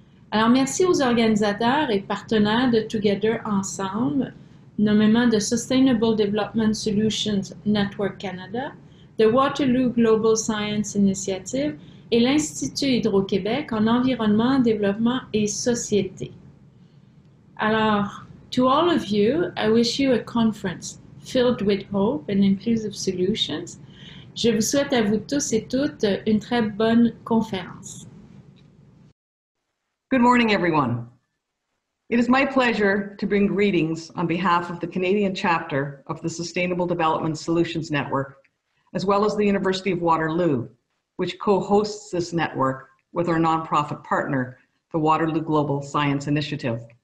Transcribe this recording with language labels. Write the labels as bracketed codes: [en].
[fr] Alors, merci aux organisateurs et partenaires de Together Ensemble, nommément de Sustainable Development Solutions Network Canada, de Waterloo Global Science Initiative, et l'Institut Hydro-Québec en environnement, développement et société. [en] Alors, to all of you, I wish you a conference filled with hope and inclusive solutions. [fr] Je vous souhaite à vous tous et toutes une très bonne conférence. [en] Good morning, everyone. It is my pleasure to bring greetings on behalf of the Canadian chapter of the Sustainable Development Solutions Network, as well as the University of Waterloo, which co-hosts this network with our nonprofit partner, the Waterloo Global Science Initiative.